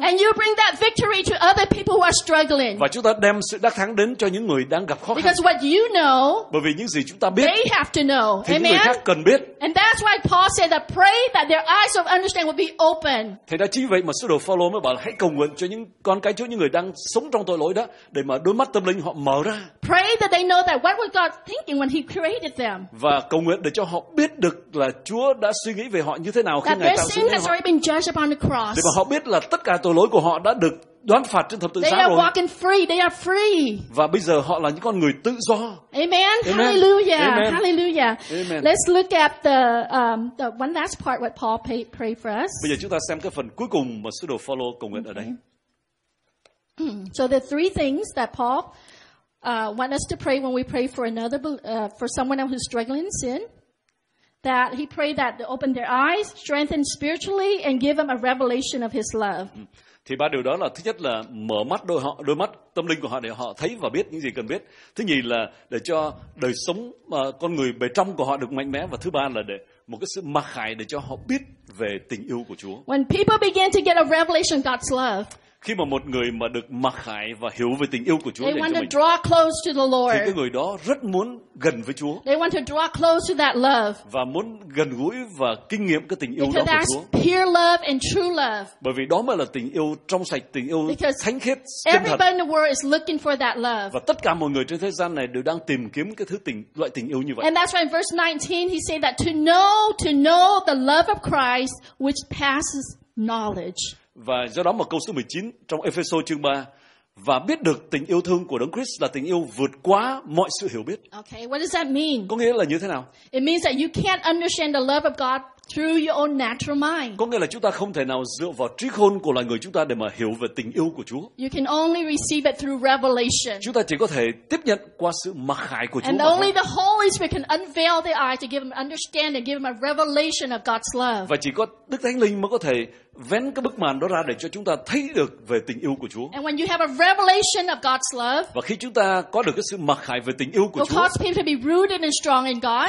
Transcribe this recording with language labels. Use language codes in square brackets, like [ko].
[en] And you bring that victory to other people who are struggling. [vi] Và chúng ta đem sự đắc thắng đến cho những người đang gặp khó khăn. [en] Because what you know, [vi] bởi vì những gì chúng ta biết, [en] they have to know. [vi] Thì những người khác cần biết. [en] And that's why Paul said that pray that their eyes of understanding will be open. [vi] Thì đó chính vậy mà sứ đồ Phaolô mới bảo là hãy cầu nguyện cho những con cái Chúa, những người đang sống trong tội lỗi đó, để mà đôi mắt tâm linh họ mở ra. [en] Pray that they know that what was God thinking when He created them. [vi] Và cầu nguyện để cho họ biết được là Chúa đã suy nghĩ về họ như thế nào khi [en] that [vi] Ngài tạo dựng họ. [en] Already been judged upon the cross. [vi] Để mà họ biết là tất cả tội lỗi của họ đã được đoán phạt trên thập tự giá rồi. [en] Walking free. They are free. [vi] Và bây giờ họ là những con người tự do. [en] Amen. Amen. Hallelujah. Amen. Hallelujah. Amen. Let's look at the one last part what Paul prayed for us. [vi] Bây giờ chúng ta xem cái phần cuối cùng mà sứ đồ Phaolô cầu nguyện ở đây. [en] So the three things that Paul want us to pray when we pray for another for someone else who's struggling in sin. That he prayed that they open their eyes, strengthen spiritually, and give them a revelation of his love. [vi] Thì ba điều đó là thứ nhất là mở mắt đôi mắt tâm linh của họ để họ thấy và biết những gì cần biết. Thứ nhì là để cho đời sống con người bề trong của họ được mạnh mẽ. Và thứ ba là để một cái sự mặc khải để cho họ biết về tình yêu của Chúa. [en] When people begin to get a revelation of God's love. [vi] Khi mà một người mà được mặc khải và hiểu về tình yêu của Chúa [en] they want to draw close to the Lord. [vi] Thì cái người đó rất muốn gần với Chúa. [en] They want to draw close to that love. [vi] Và muốn gần gũi và kinh nghiệm cái tình yêu [en] because [vi] đó của Chúa. [en] Because that's pure love and true love. [vi] Bởi vì đó mới là tình yêu trong sạch, tình yêu [en] because [vi] thánh khiết, [en] everybody in the world is looking for that love. [vi] Và tất cả mọi người trên thế gian này đều đang tìm kiếm cái thứ tình loại tình yêu như vậy. [en] And that's why in verse 19 he said that to know the love of Christ which passes knowledge. [vi] Và do đó mà câu số 19 trong Ephesos chương 3 và biết được tình yêu thương của Đấng Christ là tình yêu vượt quá mọi sự hiểu biết. [en] Okay, what does that mean? [vi] Có nghĩa là như thế nào? [en] It means that you can't understand the love of God through your own natural mind. [vi] Có nghĩa là chúng ta không thể nào dựa vào trí khôn của loài người chúng ta để mà hiểu về tình yêu của Chúa. [en] You can only receive it through revelation. [vi] Chúng ta chỉ có thể tiếp nhận qua sự mặc khải của Chúa. [en] And only the Holy Spirit can unveil the eye to give them understanding and give them a revelation of God's love. [vi] Và chỉ có Đức Thánh Linh mới có thể vén cái bức màn đó ra để cho chúng ta thấy được về tình yêu của Chúa. [en] And when you have a revelation of God's love, [vi] và khi chúng ta có được cái sự mặc khải về tình yêu của Chúa, [en] it will cause people to be rooted and strong in God.